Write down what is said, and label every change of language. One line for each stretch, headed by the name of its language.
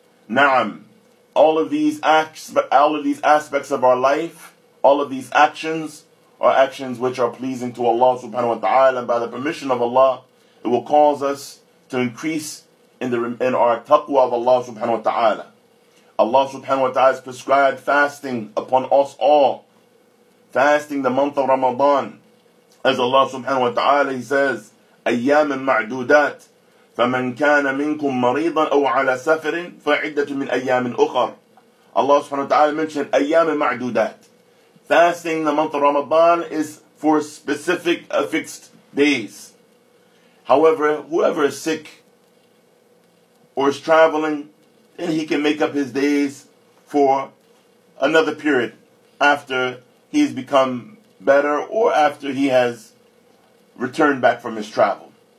English: Na'am, all of these aspects of our life, all of these actions are actions which are pleasing to Allah subhanahu wa ta'ala, and by the permission of Allah, it will cause us to increase in our taqwa of Allah subhanahu wa ta'ala. Allah subhanahu wa ta'ala has prescribed fasting upon us all. Fasting the month of Ramadan. As Allah subhanahu wa ta'ala, He says,
Arabic: أَيَّامٍ مَعْدُودَاتٍ فَمَنْ كَانَ مِنْكُمْ مَرِيضًا أَوْ عَلَى سَفَرٍ فَعِدَّةٌ مِنْ أَيَّامٍ أُخَرٍ.
English: Allah subhanahu wa ta'ala mentioned,
Arabic: أَيَّامٍ مَعْدُودَاتٍ.
English: Fasting the month of Ramadan is for specific fixed days. However, whoever is sick or is traveling, and he can make up his days for another period after he's become better or after he has returned back from his travel.